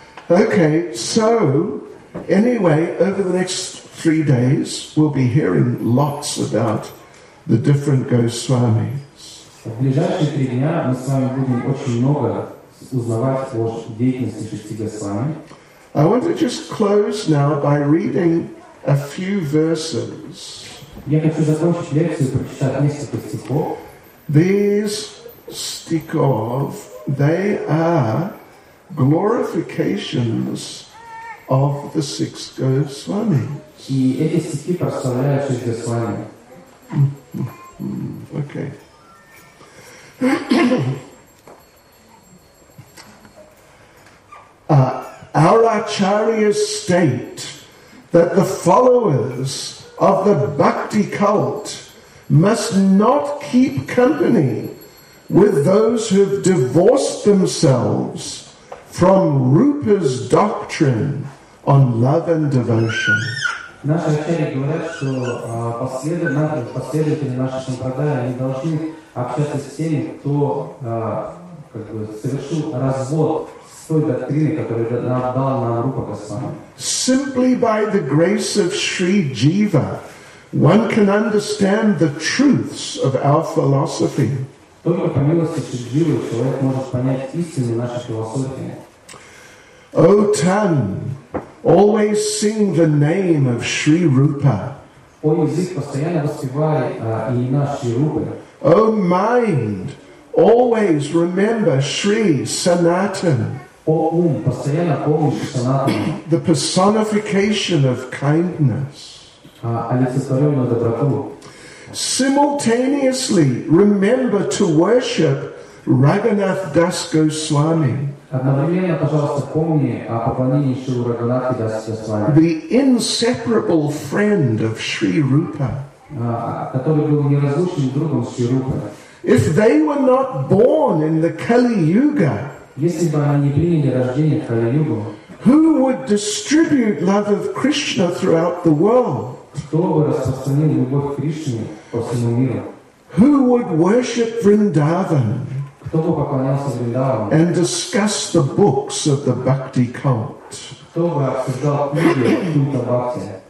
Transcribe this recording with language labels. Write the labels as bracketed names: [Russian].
[English] Okay, so anyway, over the next 3 days, we'll be hearing lots about the different Goswami. [Russian] В ближайшие 3 дня мы с вами будем очень много узнавать о деятельности шести Госвами. [English] I want to just close now by reading a few verses. [Russian] Я хочу закончить лекцию, прочитать несколько стихов. [English] These stikov, they are glorifications of the six Goswami. [Russian] И эти стихи прославляют шесть Госвами. [English] Okay. Our acharyas state that the followers of the bhakti cult must not keep company with those who've divorced themselves from Rupa's doctrine on love and devotion. [Russian] Наши ученики говорят, что последователи нашей сампрадая не должны общаться с теми, кто совершил развод с той доктриной, которую отдала нам Рупа Госвами. [English] Simply by the grace of Sri Jiva, one can understand the truths of our philosophy. [Russian] Только по милости Шри Дживы человек может понять истину нашей философии. [English] O Tan, always sing the name of Sri Rupa. [Russian] О язык, постоянно воспевай имена Шри Рупы. [English] O mind, always remember Sri Sanatan. [Russian] О ум, постоянно помни Санатана. [English] The personification of kindness. [Russian] Олицетворенную доброту. [English] Simultaneously remember to worship Raghunath Das Goswami. [Russian] Одновременно, пожалуйста, помни о поклонении Шри Рагханатхи Дас Госвами. [English] The inseparable friend of Sri Rupa. [Russian] Который был неразлучным другом Шри Рупы. [English] If they were not born in the Kali Yuga, [Russian] если бы они не приняли рождение в Кали Югу, [English] who would distribute love of Krishna throughout the world? [Russian] Кто бы распространил любовь к Кришне по всему миру? [English] Who would worship Vrindavan? [Russian] Кто бы поклонялся Вриндавану? [English] And discuss the books of the Bhakti cult? [Russian] Кто бы обсуждал книги культа Бхакти?